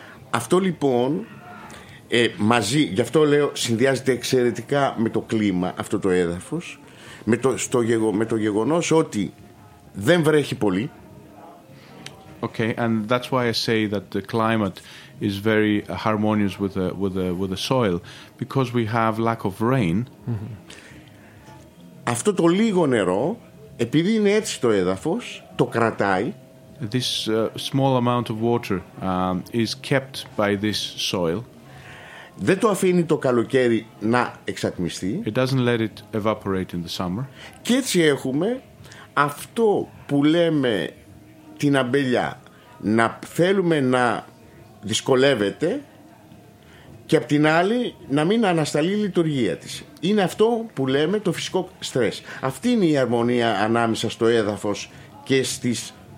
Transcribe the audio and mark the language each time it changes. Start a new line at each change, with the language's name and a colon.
Greek: Αυτό λοιπόν, μαζί, γι' αυτό λέω, συνδυάζεται εξαιρετικά με το κλίμα, αυτό το έδαφος, με το γεγονός ότι δεν βρέχει πολύ.
English: Okay, and that's why I say that the climate is very harmonious with the soil, because we have lack of rain. Mm-hmm.
Greek: Αυτό το λίγο νερό, επειδή είναι έτσι το έδαφος, το κρατάει.
English: This small amount of water is kept by this soil.
Greek: Δεν το αφήνει το καλοκαίρι να εξατμιστεί.
English: It doesn't let it evaporate in the summer.
Greek: Και έτσι έχουμε αυτό που λέμε την αμπελιά, να θέλουμε να δυσκολεύεται και απ' την άλλη να μην ανασταλεί η λειτουργία της. Είναι αυτό που λέμε το φυσικό στρες. Αυτή είναι η αρμονία ανάμεσα στο έδαφος και στις.